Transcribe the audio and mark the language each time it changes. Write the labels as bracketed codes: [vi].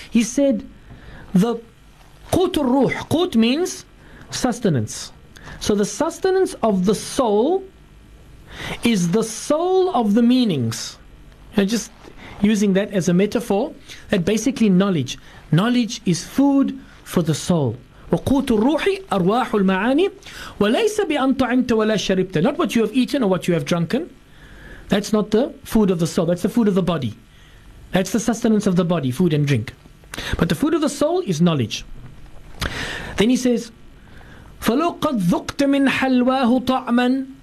[en] He said, the قوت الروح, قوت means sustenance. So the sustenance of the soul is the soul of the meanings. And just using that as a metaphor, that basically knowledge is food for the soul. [ar] وقوت الروح أرواح المعاني وليس بأن طعمت ولا شربت. [en] Not what you have eaten or what you have drunken. That's not the food of the soul. That's the food of the body. That's the sustenance of the body, food and drink. But the food of the soul is knowledge. Then he says, [ar] فلو قد ذقت من حلواه طعما.